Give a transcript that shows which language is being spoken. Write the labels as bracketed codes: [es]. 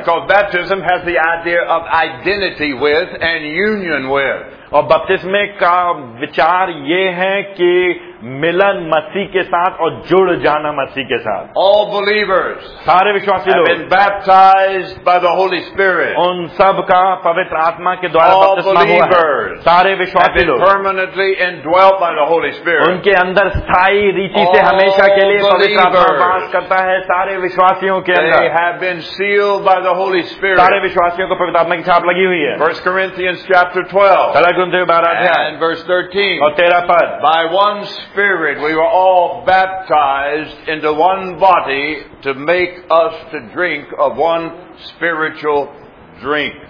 [en] Because baptism has the idea of identity with and union with. [hi] और बपतिस्मे का विचार ये है कि मिलन मसीह के साथ और जुड़ जाना मसीह के साथ. [en] All believers, [hi] सारे विश्वासी लोग, [en] have been baptized by the Holy Spirit. [hi] उन सब का पवित्र आत्मा के द्वारा बपतिस्मा हुआ है. सारे विश्वासी लोग, [en] permanently indwelt by the Holy Spirit. [hi] उनके अंदर स्थायी रीति से हमेशा के लिए पवित्र आत्मा वास करता है. सारे विश्वासियों के अंदर, [en] they have been sealed by the Holy Spirit. [hi] सारे विश्वासियों को पवित्र आत्मा की छाप लगी हुई है. [en] 1 Corinthians chapter 12. And verse 13. By one Spirit we were all baptized into one body to make us to drink of one spiritual drink.